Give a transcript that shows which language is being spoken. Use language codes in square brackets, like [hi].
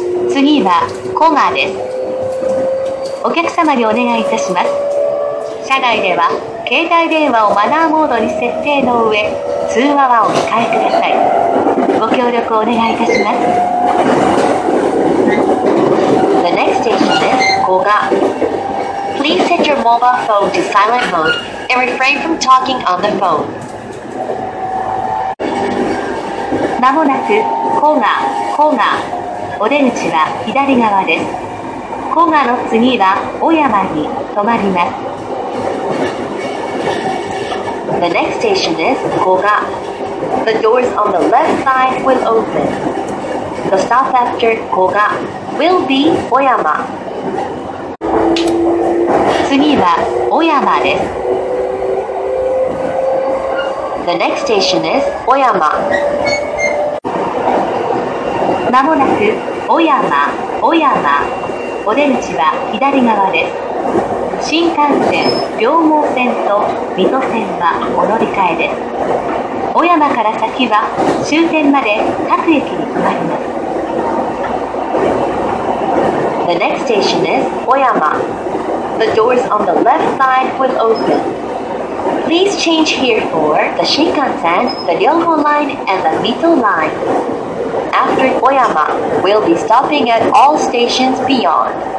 [ja] 次は古賀です。お客様にお願いいたします。車内では携帯電話をマナーモードに設定の上、通話はお控えください。ご協力をお願いいたします。 [en] The next station is 古賀。 Please set your mobile phone to silent mode and refrain from talking on the phone。 [ja] まもなく古賀、古賀。お出口は左側です。古賀の次は小山に止まります。 [en] The next station is 古賀。 The doors on the left side will open。 The stop after 古賀will be 小山。 [ja] 次は小山です。 [en] The next station is 小山。 [ja] まもなく小山、小山。お出口は左側です。新幹線、両毛線と水戸線はお乗り換えです。小山から先は終点まで各駅に停まります。 [en] The next station is 小山。 The doors on the left side will open. Please change here for the 新幹線、the 両毛 line and the 水戸 line. After 小山 we'll be stopping at all stations beyond.